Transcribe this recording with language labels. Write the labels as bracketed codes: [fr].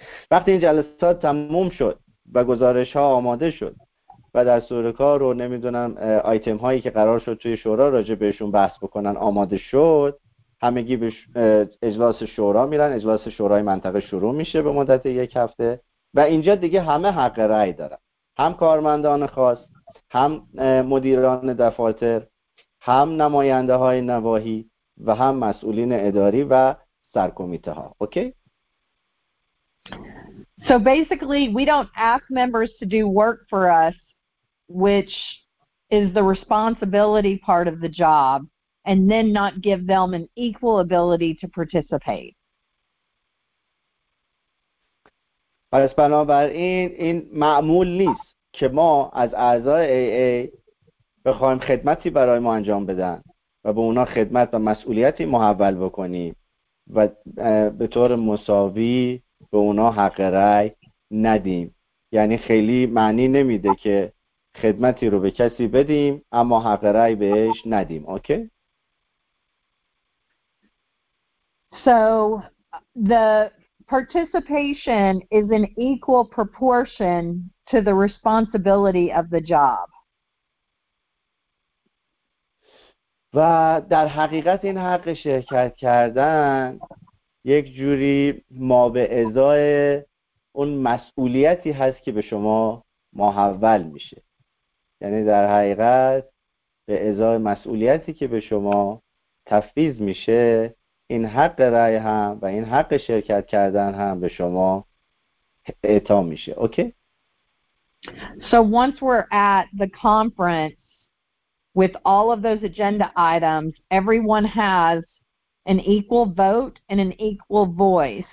[fa] وقتی این جلسات تموم شد و گزارش ها آماده شد و دستور کار رو نمیدونم آیتم هایی که قرار شد توی شورا راجع بهشون بحث بکنن آماده شد، همگی به اجلاس شورا میرن، اجلاس شورای منطقه شروع میشه به مدت یک هفته و اینجا دیگه همه حق رأی دارن، هم کارمندان خاص، هم مدیران دفاتر، هم نماینده های نواحی و هم مسئولین اداری و سرکمیته ها. اوکی؟ [en] So basically we don't ask members to do work for us, which is the responsibility part of the job, and then not give them an equal ability to participate. [fa] پس بنابراین این معمول نیست که ما از اعضای AA بخوایم خدمتی برای ما انجام بدن و به اونا خدمت و مسئولیتی محول بکنیم و به طور مساوی به اونا حق رأی ندیم. یعنی خیلی معنی نمیده که خدمتی رو به کسی بدیم اما حق رأی بهش ندیم. اوکی؟ [en] So the participation is in equal proportion to the responsibility of the job. [fa] و در حقیقت این حق شرکت کردن یک جوری ما به ازای اون مسئولیتی هست که به شما محول میشه. یعنی در حقیقت به ازای مسئولیتی که به شما تفویض میشه، این حق رأی هم و این حق شرکت کردن هم به شما اعطا میشه. اوکی؟ [en] So once we're at the conference with all of those agenda items, everyone has an equal vote and an equal voice.